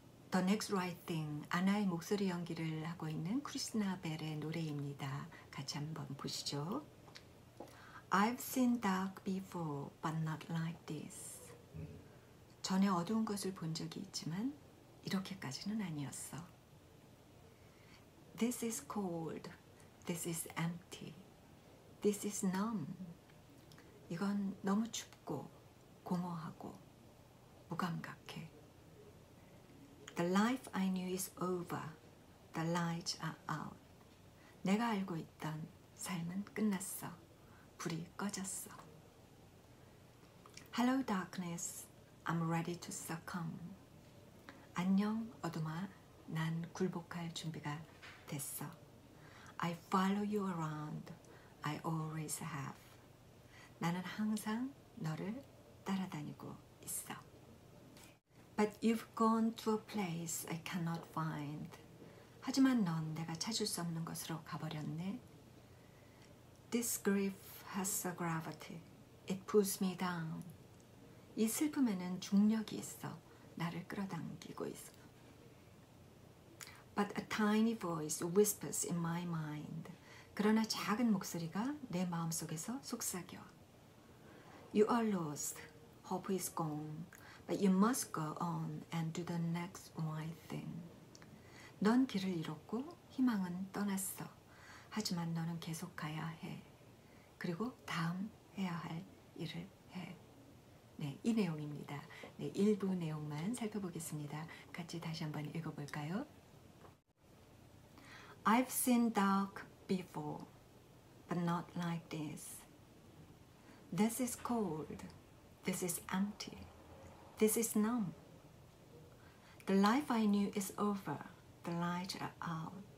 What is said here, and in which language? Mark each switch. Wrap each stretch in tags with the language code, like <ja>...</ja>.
<ko>The Next Right Thing, 아나의 목소리 연기를 하고 있는 크리스나 벨의 노래입니다. 같이 한번 보시죠.</ko> <en>I've seen dark before, but not like this.</en> <ko>전에 어두운 것을 본 적이 있지만 이렇게까지는 아니었어.</ko> <en>This is cold. This is empty. This is numb.</en> <ko>이건 너무 춥고 공허하고 무감각해.</ko> <en>The life I knew is over. The lights are out.</en> <ko>내가 알고 있던 삶은 끝났어. 불이 꺼졌어.</ko> <en>Hello, darkness. I'm ready to succumb.</en> <ko>안녕, 어둠아. 난 굴복할 준비가 됐어.</ko> <en>I follow you around. I always have.</en> <ko>나는 항상 너를 따라다니고 있어.</ko> <en>But you've gone to a place I cannot find.</en> <ko>하지만 넌 내가 찾을 수 없는 곳으로 가버렸네.</ko> <en>This grief has a gravity. It pulls me down.</en> <ko>이 슬픔에는 중력이 있어. 나를 끌어당기고 있어.</ko> <en>But a tiny voice whispers in my mind.</en> <ko>그러나 작은 목소리가 내 마음속에서 속삭여.</ko> <en>You are lost. Hope is gone. But you must go on and do the next right thing.</en> <ko>넌 길을 잃었고 희망은 떠났어. 하지만 너는 계속 가야 해. 그리고 다음 해야 할 일을 해. 네, 이 내용입니다. 네, 일부 내용만 살펴보겠습니다. 같이 다시 한번 읽어볼까요?</ko> <en>I've seen dark before, but not like this. This is cold. This is empty. This is numb. The life I knew is over. The lights are out.</en>